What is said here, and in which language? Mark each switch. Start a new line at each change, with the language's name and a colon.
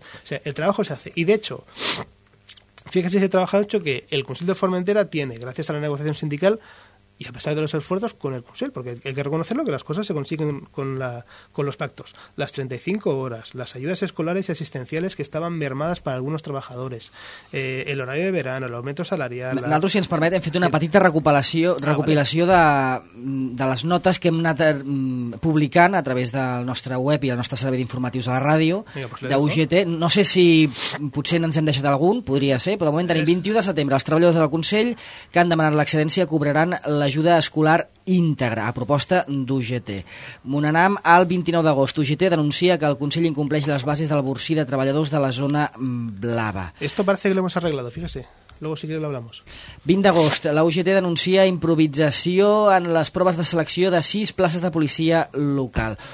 Spanish: O sea, el trabajo se hace. Y de hecho... Fíjense ese trabajo hecho que el Consell de Formentera tiene, gracias a la negociación sindical y a pesar de los esfuerzos, con el Consell, porque hay que reconocerlo que las cosas se consiguen con los pactos. Las 35 horas, las ayudas escolares y asistenciales que estaban mermadas para algunos trabajadores, el horario de verano, el aumento salarial...
Catalan: Nosaltres, si ens permet, hem fet una petita recopilació de les notes que hem anat publicant a través del nostre web i el nostre servei d'informatius a la ràdio d'UGT. No sé si potser ens hem deixat algun, podria ser, però de moment tenim 21 de setembre. Els treballadors del Consell que han demanat l'excedència cobraran l'ajuda escolar íntegra, a proposta d'UGT. Munanam, el 29 d'agost, UGT denuncia que el Consell incompleix les bases del borsí de treballadors de la zona blava.
Spanish: Esto parece que lo hemos arreglado, fíjese. Luego si quiere lo hablamos.
Catalan: 20 d'agost, la UGT denuncia improvisació en les proves de selecció de 6 places de policia local.